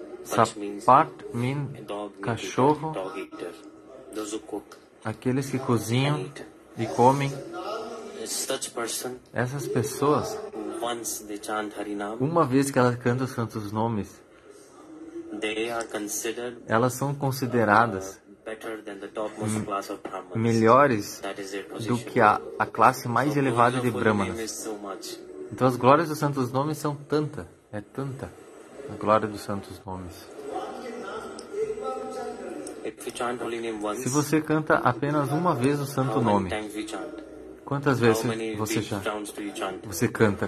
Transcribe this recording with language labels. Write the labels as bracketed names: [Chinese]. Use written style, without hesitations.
[English] Sapat means dog, [Portuguese] cachorro. [English] Dog eater. Those who cook. [Portuguese] Aqueles que cozinham e comem. [English] Such person, [Portuguese] essas pessoas, [English] once they chant Harinam, [Portuguese] uma vez que elas cantam os santos nomes, [English] they are considered, [Portuguese] elas são consideradas [English] better than the topmost class of Brahmans. [Portuguese] Melhores [English] that is their position. [Portuguese] Do que a classe mais [English] so [Portuguese] elevada de Brahmanas. [English] So [Portuguese] então as glórias dos santos nomes são tanta, é tanta a glória dos santos nomes. [English] If you chant holy name once, [Portuguese] se você canta apenas uma vez o santo nome, quantas vezes você já você canta?